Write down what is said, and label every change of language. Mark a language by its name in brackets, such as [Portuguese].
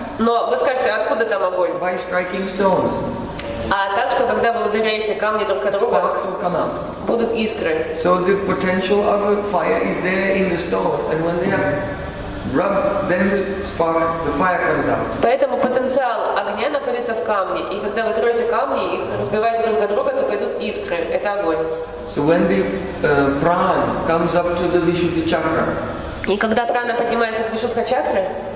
[Russian] Но вы скажете, откуда там огонь? [English] By striking stones. [Russian] А так, что когда вы ударяете камни друг от друга, [English] sparks will come out. [Russian] Будут искры. [English] So the potential of a fire is there in the stone, and when they are rubbed, then the fire comes out. [Russian] Поэтому потенциал огня находится в камне, и когда вы трете камни и разбиваете друг от друга, то пойдут искры. Это огонь. [English] So when the prana comes up to the Vishuddha chakra. [Russian] И когда прана поднимается к Вишудха чакре,